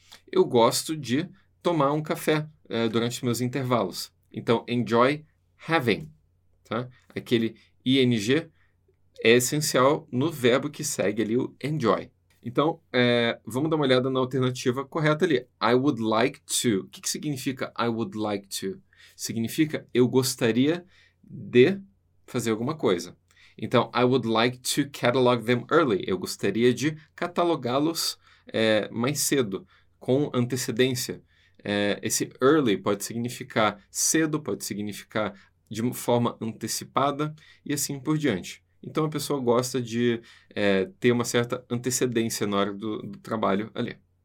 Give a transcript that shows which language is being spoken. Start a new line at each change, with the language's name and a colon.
Portuguese: Eu gosto de tomar um café, durante meus intervalos. Então,
English: enjoy having,
Portuguese: tá? Aquele ing é essencial no verbo que segue ali o enjoy. Então, vamos dar uma olhada na alternativa correta ali.
English: I would like to.
Portuguese: O que que significa I would like to? Significa eu gostaria de fazer alguma coisa. Então,
English: I would like to catalog them early.
Portuguese: Eu gostaria de catalogá-los mais cedo, com antecedência. Esse early pode significar cedo, pode significar de uma forma antecipada e assim por diante. Então, a pessoa gosta de ter uma certa antecedência na hora do trabalho ali.